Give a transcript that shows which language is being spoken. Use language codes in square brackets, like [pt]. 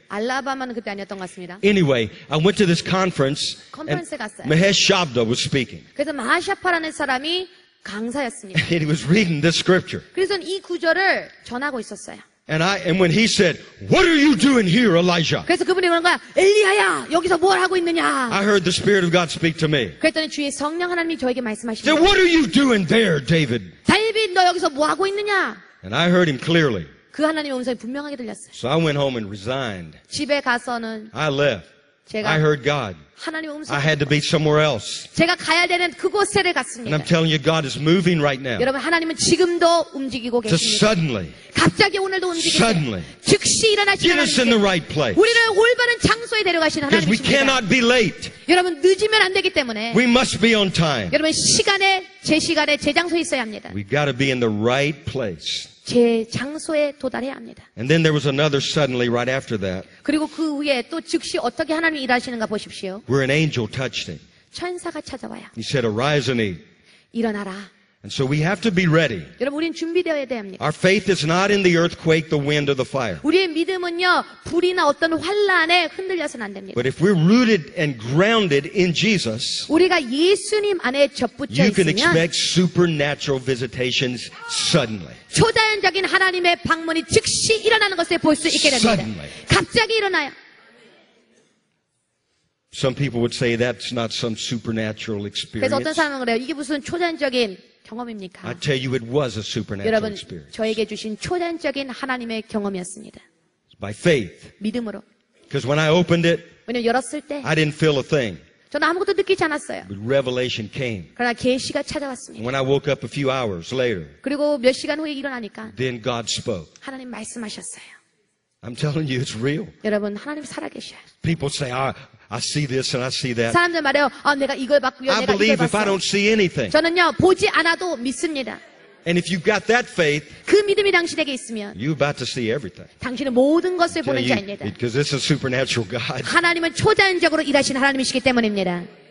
[ko] 알라바마는 그때 아니었던 것 같습니다. [en] Anyway, I went to this conference. [ko] 컨퍼런스에 갔어요. [en] Mahesh Shabda was speaking. [ko] 그래서 마하샤파라는 사람이 강사였습니다. [en] And he was reading this scripture. [ko] 그래서 이 구절을 전하고 있었어요. [en] And when he said, "What are you doing here, Elijah?" [ko] 그래서 그분이 그런 거야. 엘리야야, 여기서 뭘 하고 있느냐? [en] I heard the Spirit of God speak to me. [ko] 그랬더니 주의 성령 하나님이 저에게 말씀하시네. [en] Said, "What are you doing there, David?" [ko] 다윗, 너 여기서 뭐 하고 있느냐? [en] And I heard him clearly. [ko] 그 하나님의 음성이 분명하게 들렸어요. [en] So I went home and resigned. [ko] 집에 가서는 [en] I left. [ko] 제가 [en] I heard God. [ko] 하나님의 음성. [en] I had to be somewhere else. [ko] 제가 가야 되는 그곳에 갔습니다. [en] And I'm telling you, God is moving right now. [ko] 여러분 하나님은 지금도 움직이고 계십니다. [en] So suddenly. [ko] 갑자기 오늘도 움직이세요. [en] Suddenly. [ko] 즉시 일어나시는 [en] 하나님. Get us in the right place. [ko] 우리를 올바른 장소에 데려가시는 하나님. [en] Because we cannot be late. [ko] 여러분 늦으면 안 되기 때문에. [en] We must be on time. [ko] 여러분 시간에 제 시간에 제 장소에 있어야 합니다. [en] We've got to be in the right place. [ko] 제 장소에 도달해야 합니다. [en] And then there was another suddenly right after that. [ko] 그리고 그 후에 또 즉시 어떻게 하나님이 일하시는가 보십시오. [en] Where an angel touched him. [ko] 천사가 찾아와요. [en] He said, "Arise and eat." [ko] 일어나라. [en] And so we have to be ready. [ko] 여러분 우리는 준비되어야 됩니다. [en] Our faith is not in the earthquake, the wind, or the fire. [ko] 우리의 믿음은요 불이나 어떤 환란에 흔들려서는 안 됩니다. [en] But if we're rooted and grounded in Jesus, [ko] 우리가 예수님 안에 접붙여 [en] you can expect supernatural visitations suddenly. [ko] 초자연적인 하나님의 방문이 즉시 일어나는 것을 볼 수 있게 됩니다. [en] Suddenly. [ko] 갑자기 일어나요. [en] Some people would say that's not some supernatural experience. [ko] 그래서 어떤 사람은 그래요. 이게 무슨 초자연적인 경험입니까? [en] I tell you it was a supernatural experience. [ko] 여러분, 저에게 주신 초자연적인 하나님의 경험이었습니다. [en] By faith. [ko] 믿음으로. [en] Because when I opened it, [ko] 왜냐면 열었을 때, [en] I didn't feel a thing. [ko] 저는 아무것도 느끼지 않았어요. [en] But revelation came. [ko] 그러나 계시가 찾아왔습니다. [en] When I woke up a few hours later, [ko] 그리고 몇 시간 후에 일어나니까, [en] then God spoke. [ko] 하나님 말씀하셨어요. [en] I'm telling you it's real. [ko] 여러분, 하나님 살아계셔요. [en] People say, I see this and I see that. [ko] 사람들 말해요. 내가 이걸 봤고요. [en] I believe if I don't see anything. [ko] 저는요 보지 않아도 믿습니다. [en] And if you've got that faith, [ko] 그 믿음이 당신에게 있으면, [en] you're about to see everything. [ko] 당신은 모든 것을 보는 자입니다. [en] Because this is supernatural God. [ko] 하나님은 초자연적으로 일하신 하나님이시기 때문입니다.